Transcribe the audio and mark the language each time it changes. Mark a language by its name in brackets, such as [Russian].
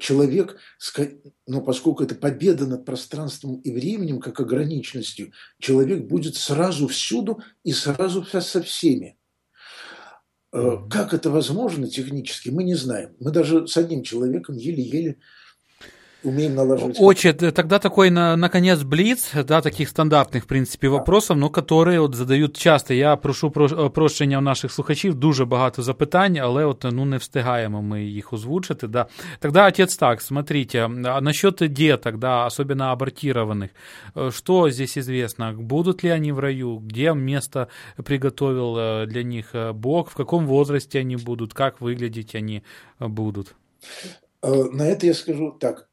[Russian] Человек, но поскольку это победа над пространством и временем, как ограниченностью, человек будет сразу всюду и сразу со всеми. Как это возможно технически, мы не знаем. Мы даже с одним человеком еле-еле умеем налаживать. Отче, тогда такой, наконец, блиц, да, таких стандартных, в принципе, вопросов, но которые от задають часто. [Ukrainian] Я прошу прощення у наших слухачів, дуже багато запитань, але от, ну, не встигаємо ми їх озвучити, да. [Russian] Тогда, отец, так, смотрите, насчет деток, да, особенно абортированных, что здесь известно, будут ли они в раю, где место приготовил для них Бог, в каком возрасте они будут, как выглядеть они будут? На это я скажу так.